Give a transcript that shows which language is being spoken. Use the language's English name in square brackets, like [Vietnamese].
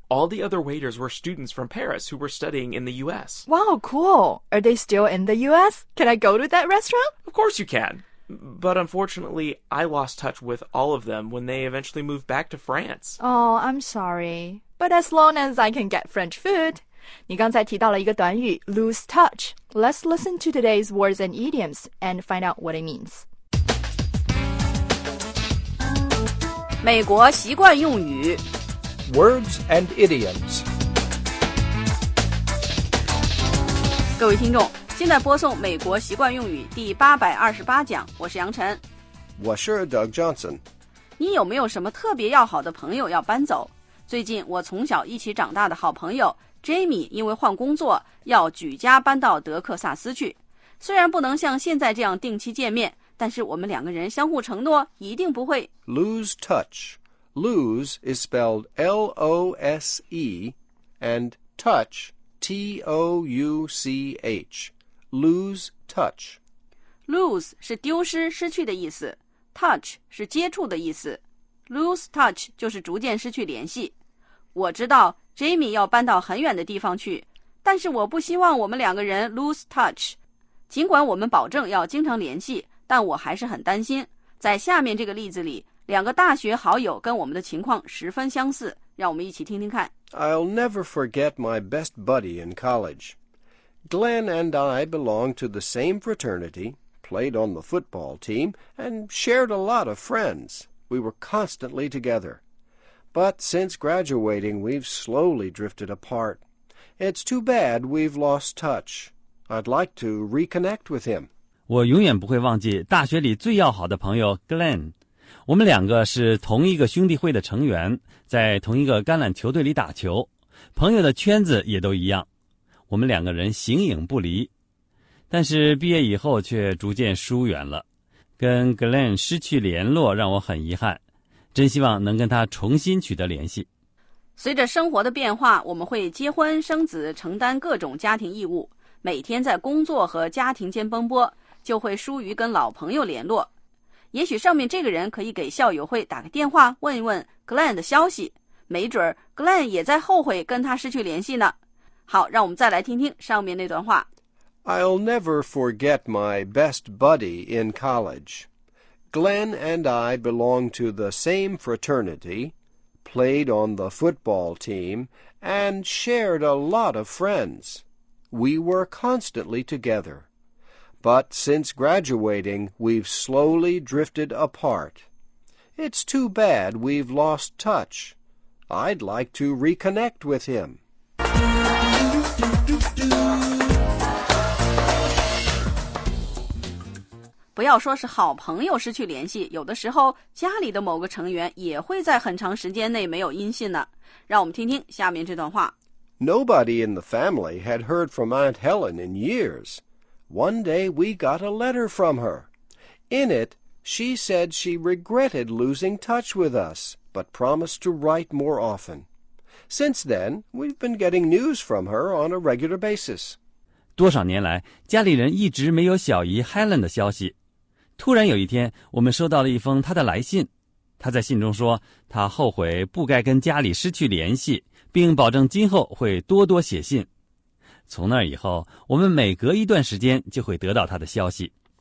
[English] All the other waiters were students from Paris who were studying in the U.S. Wow, cool. Are they still in the U.S.? Can I go to that restaurant? Of course you can. But unfortunately, I lost touch with all of them when they eventually moved back to France. Oh, I'm sorry. But as long as I can get French food. [Chinese] 你刚才提到了一个短语 lose touch. [English] Let's listen to today's words and idioms and find out what it means. [Chinese] 美国习惯用语 [English] Words and idioms. [Chinese] 各位听众，现在播送美国习惯用语第828讲，我是杨晨。我是 Doug Johnson。你有没有什么特别要好的朋友要搬走？最近我从小一起长大的好朋友 Jamie 因为换工作要举家搬到德克萨斯去。虽然不能像现在这样定期见面，但是我们两个人相互承诺，一定不会 [English] lose touch。Lose is spelled L-O-S-E, and touch, T-O-U-C-H, lose touch. [Chinese] Lose 是丢失、失去的意思， touch 是接触的意思。 Lose touch 就是逐渐失去联系。我知道 Jamie 要搬到很远的地方去，但是我不希望我们两个人 lose touch。尽管我们保证要经常联系，但我还是很担心。在下面这个例子里，两个大学好友跟我们的情况十分相似，让我们一起听听看。 [English] I'll never forget my best buddy in college. Glenn and I belonged to the same fraternity, played on the football team, and shared a lot of friends. We were constantly together. But since graduating, we've slowly drifted apart. It's too bad we've lost touch. I'd like to reconnect with him. [Chinese] 我永远不会忘记大学里最要好的朋友 Glenn。我们两个是同一个兄弟会的成员，在同一个橄榄球队里打球，朋友的圈子也都一样，我们两个人形影不离，但是毕业以后却逐渐疏远了，跟 Glenn 失去联络让我很遗憾，真希望能跟他重新取得联系。随着生活的变化，我们会结婚生子，承担各种家庭义务，每天在工作和家庭间奔波，就会疏于跟老朋友联络。也许上面这个人可以给校友会打个电话，问一问 Glenn 的消息，没准 Glenn 也在后悔跟他失去联系呢。好，让我们再来听听上面那段话。 [English] I'll never forget my best buddy in college. Glenn and I belonged to the same fraternity, played on the football team, and shared a lot of friends. We were constantly together. But since graduating, we've slowly drifted apart. It's too bad we've lost touch. I'd like to reconnect with him. [Chinese] 不要说是好朋友失去联系，有的时候家里的某个成员也会在很长时间内没有音信呢。让我们听听下面这段话。 [English] Nobody in the family had heard from Aunt Helen in years. One day we got a letter from her. In it, she said she regretted losing touch with us, but promised to write more often. Since then, we've been getting news from her on a regular basis. [Chinese] 多少年来，家里人一直没有小姨 Helen 的消息。突然有一天，我们收到了一封她的来信。她在信中说，她后悔不该跟家里失去联系，并保证今后会多多写信。从那以后，我们每隔一段时间就会得到他的消息。